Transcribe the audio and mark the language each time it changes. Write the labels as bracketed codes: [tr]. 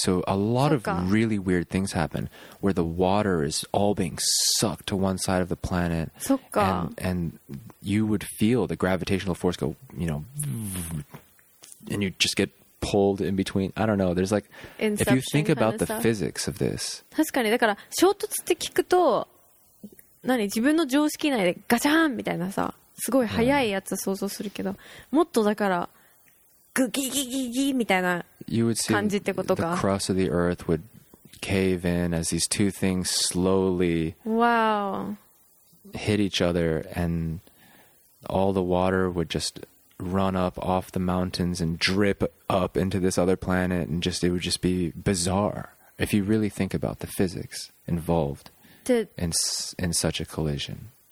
[en] So a lot of really weird things happen where the water is all being sucked to one side of the planet. And you would feel the gravitational force go, you know, and you just get pulled in between. I don't know. There's like, if you think about the physics of this. [ja] 確かに。だから衝突って聞くと、何自分の常識内でガチャーンみたいなさ、すごい速いやつ想像するけど、もっとだからグギギギギみたいな感じってことか。 [en] The crust of the earth would cave in as these two things slowly hit each other, and all the water would just... run up off the mountains and drip up into this other planet, and just it would just be bizarre if you really think about the physics involved in such a collision.